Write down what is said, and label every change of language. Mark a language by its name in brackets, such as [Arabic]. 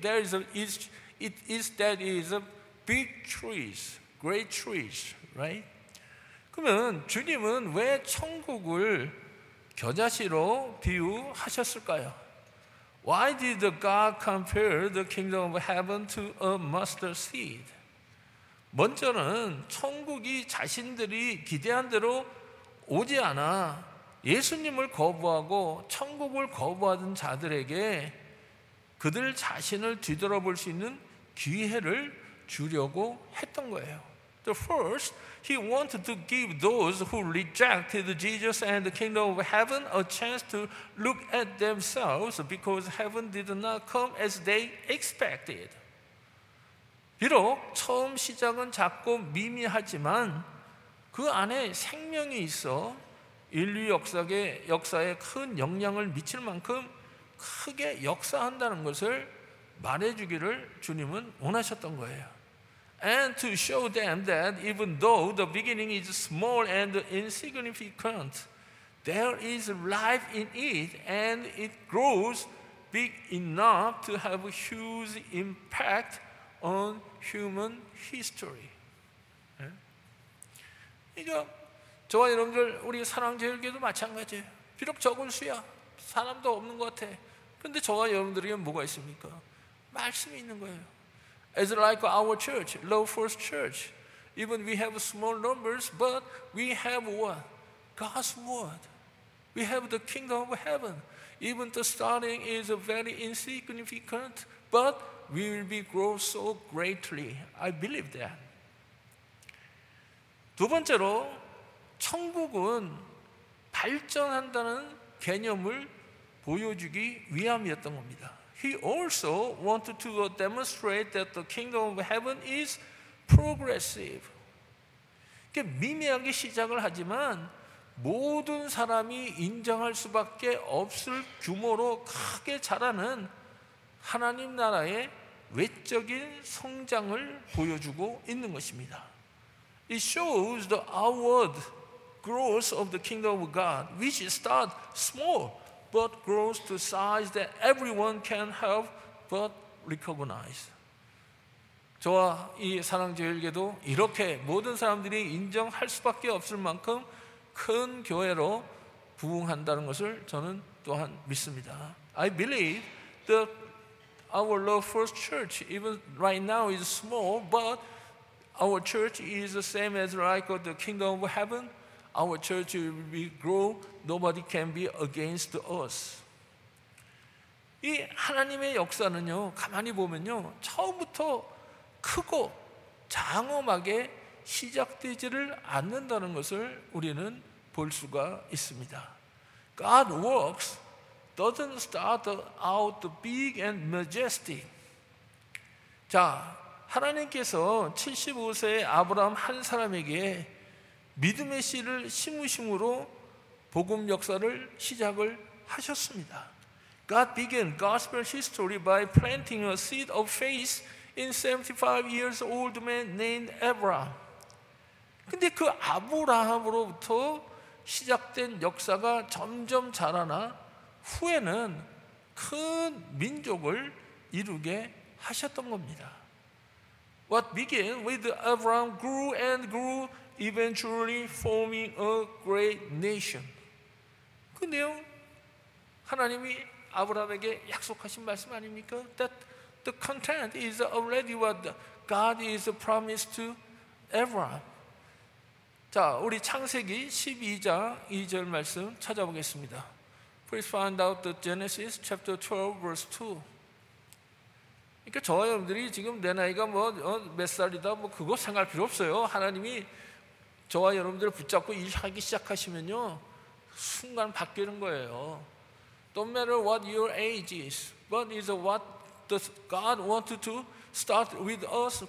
[English] There is a, it is that is a big trees, great trees, right? [Korean] 그러면 주님은 왜 천국을 겨자씨로 비유하셨을까요? [English] Why did God compare the kingdom of heaven to a mustard seed? [Korean] 먼저는 천국이 자신들이 기대한 대로 오지 않아 예수님을 거부하고 천국을 거부하던 자들에게 그들 자신을 뒤돌아볼 수 있는 기회를 주려고 했던 거예요. [English] The first, he wanted to give those who rejected Jesus and the kingdom of heaven a chance to look at themselves because heaven did not come as they expected. [Korean] 비록 처음 시작은 작고 미미하지만 그 안에 생명이 있어 인류 역사에 큰 영향을 미칠 만큼 크게 역사한다는 것을 말해주기를 주님은 원하셨던 거예요. [English] And to show them that even though the beginning is small and insignificant, there is life in it and it grows big enough to have a huge impact on human history. [Korean] 이거 저와 여러분들 우리 사랑제일교도 마찬가지예요. 비록 적은 수야, 사람도 없는 것 같아. 그런데 저와 여러분들에게 뭐가 있습니까? 말씀이 있는 거예요. [English] It's like our church, Low First Church. Even we have small numbers, but we have what? God's word. We have the kingdom of heaven. Even the starting is very insignificant, but we will be grow so greatly. I believe that. [Korean] 두 번째로 천국은 발전한다는 개념을 보여주기 위함이었던 겁니다. [English] He also wanted to demonstrate that the kingdom of heaven is progressive. [Korean] 그러니까 미미하게 시작을 하지만 모든 사람이 인정할 수밖에 없을 규모로 크게 자라는 하나님 나라의 외적인 성장을 보여주고 있는 것입니다. [English] It shows the outward growth of the kingdom of God, which starts small but grows to size that everyone can help but recognize. [Korean] 저와 이 사랑제일교도 이렇게 모든 사람들이 인정할 수밖에 없을 만큼 큰 교회로 부흥한다는 것을 저는 또한 믿습니다. [English] I believe that our Lord First Church, even right now, is small, but our church is the same as like the kingdom of heaven. Our church will be grow. Nobody can be against us. [Korean] 이 하나님의 역사는요, 가만히 보면요, 처음부터 크고 장엄하게 시작되지를 않는다는 것을 우리는 볼 수가 있습니다. [English] God works doesn't start out big and majestic. [Korean] 자, 하나님께서 75세의 아브라함 한 사람에게 믿음의 씨를 심으심으로 복음 역사를 시작을 하셨습니다. [English] God began gospel history by planting a seed of faith in 75 years old man named Abraham. [Korean] 근데 그 아브라함으로부터 시작된 역사가 점점 자라나 후에는 큰 민족을 이루게 하셨던 겁니다. [English] What began with Abraham grew and grew, eventually forming a great nation. [Korean] 근데요, 하나님이 아브라함에게 약속하신 말씀 아닙니까? [English] That the content is already what God is promised to Abraham. [Korean] 자, 우리 창세기 12장 2절 말씀 찾아보겠습니다. [English] Please find out the Genesis chapter 12 verse 2. [Korean] 그러니까 저와 여러분들이 지금 내 나이가 뭐 몇 살이다 뭐 그거 생각할 필요 없어요. 하나님이 저와 여러분들을 붙잡고 일하기 시작하시면요, 순간 바뀌는 거예요. [English] Don't matter what your age is, but is what does God want to start with us?